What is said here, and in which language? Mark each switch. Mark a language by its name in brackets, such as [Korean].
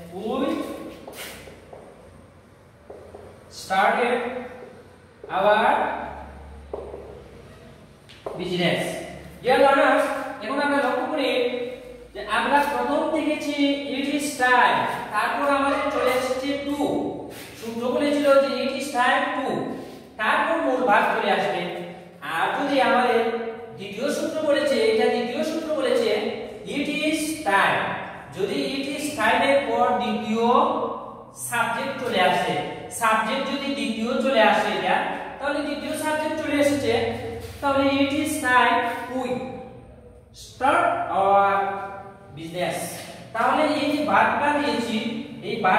[English] We started our business. Dear learners, [Bangla] এখন আমরা লক্ষ্য করি যে আমরা প্রথম দেখেছি [English] it is time. [Bangla] তারপর আমাদের চলে এসেছে to. সূত্র বলেছিল যে [English] it is time to. [Bangla] তারপর মূল ভাগ চলে আসবে. আর যদি আমাদের দ্বিতীয় সূত্র বলেছে এটা দ্বিতীয় সূত্র বলেছে ইট ইজ টাইম যদি ইট ইজ টাইম এর পর দ্বিতীয় সাবজেক্ট চলে আসে সাবজেক্ট যদি দ্বিতীয় চলে আসে এটা তাহলে দ্বিতীয় সাবজেক্ট চলে এসেছে তাহলে [English] it is time we start our business [Bangla] তাহলে এই যে ভার্বটা দিয়েছি এই